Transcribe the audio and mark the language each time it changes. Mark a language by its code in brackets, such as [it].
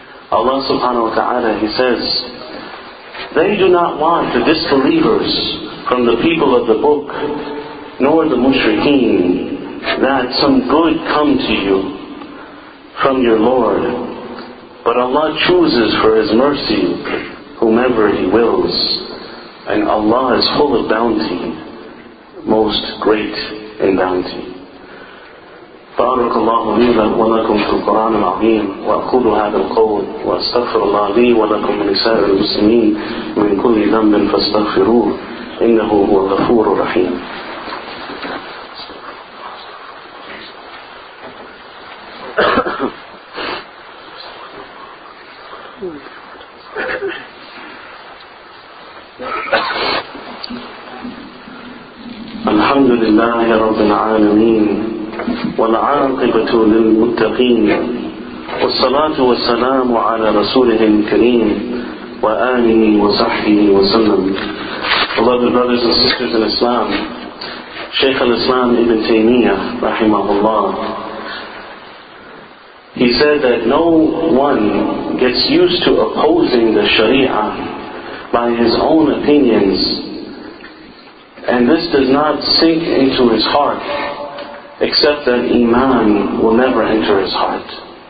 [en] Allah subhanahu wa ta'ala, He says, they do not want the disbelievers from the people of the book, nor the mushrikeen, that some good come to you from your Lord. But Allah chooses for His mercy whomever He wills. And Allah is full of bounty, most great in bounty. [ar] بارك الله لي ولكم في القرآن العظيم وأقول هذا القول وأستغفر الله لي ولكم ولسائر المسلمين من كل ذنب فاستغفروه إنه هو الغفور الرحيم. الحمد لله رب العالمين والعاقبة للمتقين والصلاة والسلام على رسوله الكريم وآله وصحبه وسلم. [en] Beloved brothers and sisters in Islam, Shaykh al-Islam Ibn Taymiyyah rahimahullah, he said that no one gets used to opposing the Sharia by his own opinions, and this does not sink into his heart, except that iman will never enter his heart.